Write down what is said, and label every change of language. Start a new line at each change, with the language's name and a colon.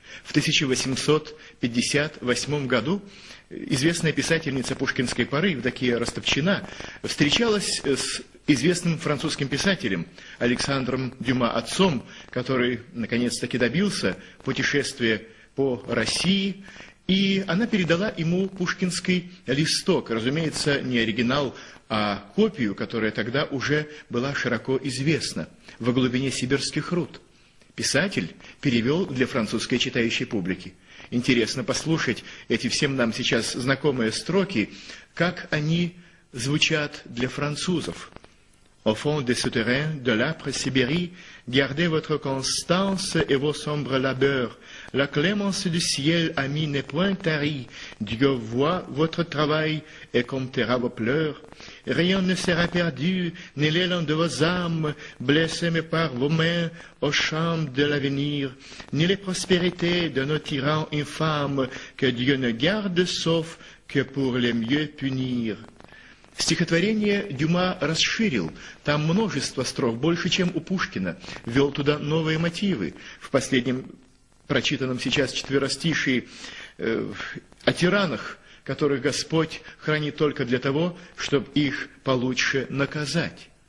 Russian: В 1858 году известная писательница пушкинской поры Евдокия Растопчина встречалась с известным французским писателем Александром Дюма отцом, который наконец-таки добился путешествия по России, и она передала ему пушкинский листок, разумеется, не оригинал, а копию, которая тогда уже была широко известна, «Во глубине сибирских руд». Писатель перевел для французской читающей публики. Интересно послушать эти всем нам сейчас знакомые строки, как они звучат для французов.
French: «Au fond des souterrains de l'âpre Sibérie, gardez votre constance et vos sombres labeurs. La clémence du ciel, ami, n'est point tarie. Dieu voit votre travail et comptera vos pleurs. Rien ne sera perdu, ni l'élan de vos âmes, blessées par vos mains aux chambres de l'avenir, ni les prospérités de nos tyrans infâmes, que Dieu ne garde sauf que pour les mieux punir.
Russian: Стихотворение Дюма расширил, там множество строк, больше, чем у Пушкина, ввел туда новые мотивы. В последнем прочитанном сейчас четверостишии о тиранах, которых Господь хранит только для того, чтобы их получше наказать.